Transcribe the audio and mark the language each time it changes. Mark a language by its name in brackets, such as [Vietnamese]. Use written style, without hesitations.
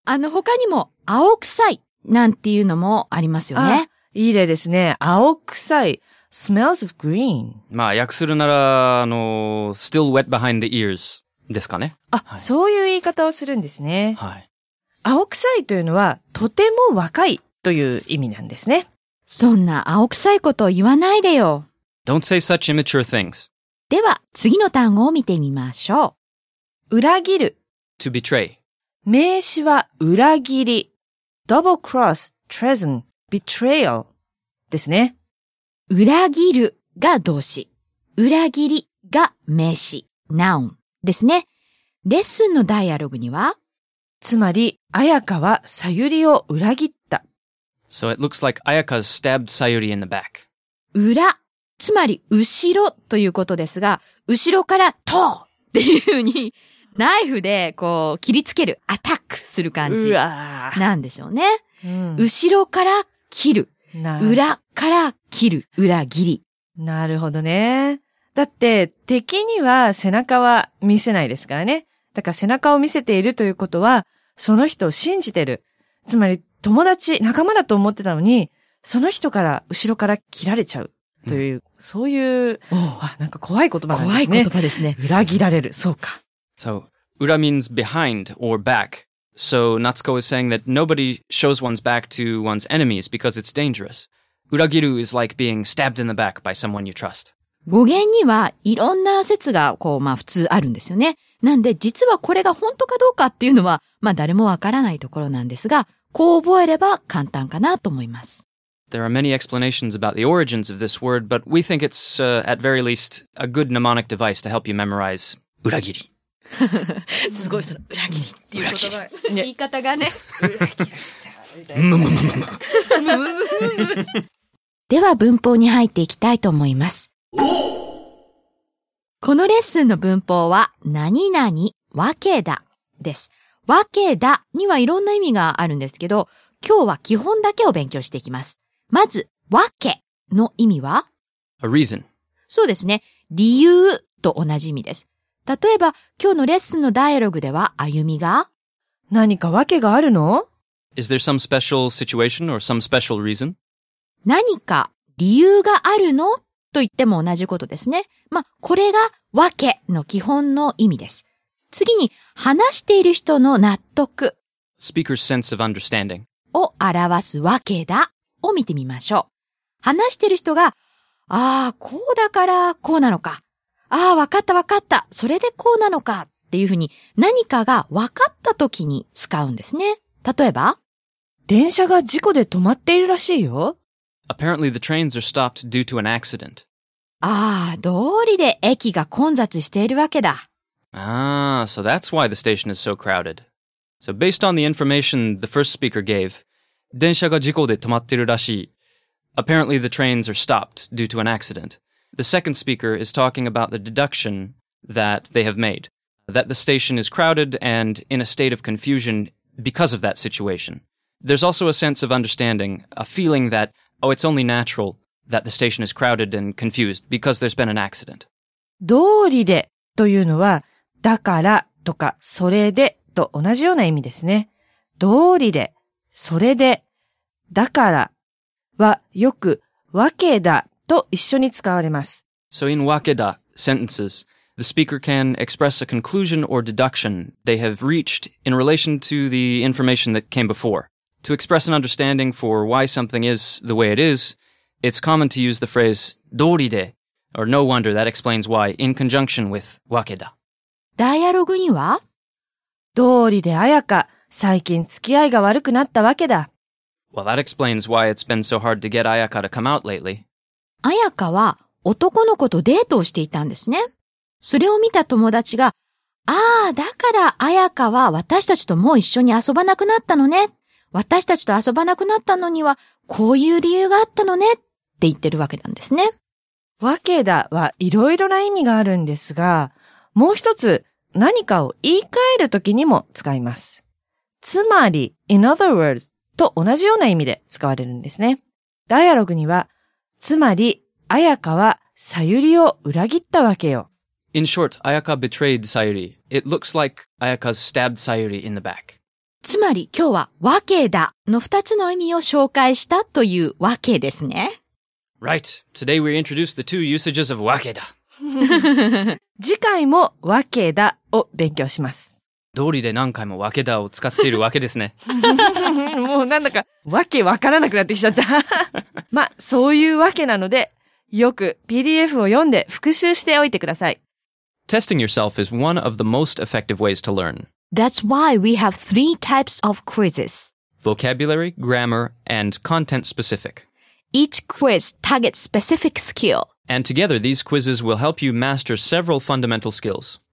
[Japanese] 他にも、青臭い、なんていうのもありますよね。いい例ですね。 [English] 青臭い、smells of green。 [Japanese] まあ、訳するなら、 [English] still wet behind the ears。 [Japanese] ですかね。あ、はい、そういう言い方をするんですね。はい。青臭いというのは、とても若いという意味なんですね。そんな青臭いことを言わないでよ。 [English] Don't say such immature things. [Japanese] では、次の単語を見てみましょう。裏切る。 [English] To betray. [Japanese] 名詞は裏切り。 [English] Double cross, treason, betrayal [Japanese] ですね。裏切るが動詞。裏切りが名詞。 Noun ですね。レッスンのダイアログには、つまり、彩香はさゆりを裏切った。 [English] So it looks like 彩香 stabbed Sayuri in the back. [Japanese] 裏、つまり後ろということですが、後ろからトーっていう風にナイフでこう切りつける、アタックする感じなんでしょうね。うん、後ろから切る、裏から切る、裏切り。なるほどね。だって敵には背中は見せないですからね。だから背中を見せているということは、その人を信じてる。つまり友達、仲間だと思ってたのに、その人から後ろから切られちゃうという、うん、そういう、あ、なんか怖い言葉なんですね。怖い言葉ですね。裏切られる。そうか。 [English] So, 裏 means behind or back. So, Natsuko is saying that nobody shows one's back to one's enemies because it's dangerous. 裏切る is like being stabbed in the back by someone you trust. [Japanese] 語源にはいろんな説がこう、まあ普通あるんですよね。なんで、実はこれが本当かどうかっていうのは、まあ誰もわからないところなんですが、こう覚えれば簡単かなと思います。 [English] There are many explanations about the origins of this word, but we think it's, at very least, a good mnemonic device to help you memorize 裏切り。 [Japanese] すごい、その裏切りっていう言葉、ね、言い方がね。裏切りみたいな。では文法に入っていきたいと思います。このレッスンの文法は、何々わけだです。わけだにはいろんな意味があるんですけど、今日は基本だけを勉強していきます。まず、わけの意味は [English] A reason. [Japanese] そうですね。理由と同じ意味です。例えば、今日のレッスンのダイアログでは、あゆみが何かわけがあるの [English] Is there some special situation or some special reason? [Japanese] 何か理由があるのと言っても同じことですね。まあ、これがわけの基本の意味です。次に、話している人の納得。 [English] Speaker's sense of understanding. [Japanese] を表すわけだを見てみましょう。話している人が、ああ、こうだからこうなのか。ああ、わかったわかった。それでこうなのか。っていうふうに、何かがわかった時に使うんですね。例えば、電車が事故で止まっているらしいよ。 [English] Apparently the trains are stopped due to an accident. [Japanese] ああ、道理で駅が混雑しているわけだ。 [English] Ah, so that's why the station is so crowded. So based on the information the first speaker gave, [Japanese] 電車が事故で止まってるらしい。 [English] Apparently the trains are stopped due to an accident. The second speaker is talking about the deduction that they have made, that the station is crowded and in a state of confusion because of that situation. There's also a sense of understanding, a feeling that, oh, it's only natural that the station is crowded and confused because there's been an accident. [Japanese] 道理でというのは、だからとか、それでと同じような意味ですね。道理で、それで、だからはよく、わけだと一緒に使われます。 [English] So in わけだ sentences, the speaker can express a conclusion or deduction they have reached in relation to the information that came before. To express an understanding for why something is the way it is, it's common to use the phrase 道理で。 Or no wonder that explains why in conjunction with わけだ。 [Japanese] ダイアログには道理で彩香、最近付き合いが悪くなったわけだ。 [English] Well, that explains why it's been so hard to get 彩香 to come out lately. [Japanese] 彩香は男の子とデートをしていたんですね。それを見た友達が、ああ、だから彩香は私たちともう一緒に遊ばなくなったのね。私たちと遊ばなくなったのにはこういう理由があったのねって言ってるわけなんですね。わけだはいろいろな意味があるんですが、もう一つ何かを言い換えるときにも使います。つまり、 [English] in other words [Japanese] と同じような意味で使われるんですね。ダイアログには、つまり、彩香はさゆりを裏切ったわけよ。 [English] In short, 彩香 betrayed Sayuri. It looks like 彩香 stabbed Sayuri in the back. [Japanese] つまり今日はわけだの二つの意味を紹介したというわけですね。 [English] Right. Today we introduce the two usages of わけだ。 [Japanese] 次回もわけだを勉強します。通りで何回もわけだを使っているわけですね。もうなんだかわけわからなくなってきちゃった。まあそういうわけなので、よく PDF を読んで復習しておいてください。 [English] Testing yourself is one of the most effective ways to learn. That's why we have three types of quizzes: vocabulary, grammar, and content specific. Each quiz targets specific skill. And together these quizzes will help you master several fundamental skills.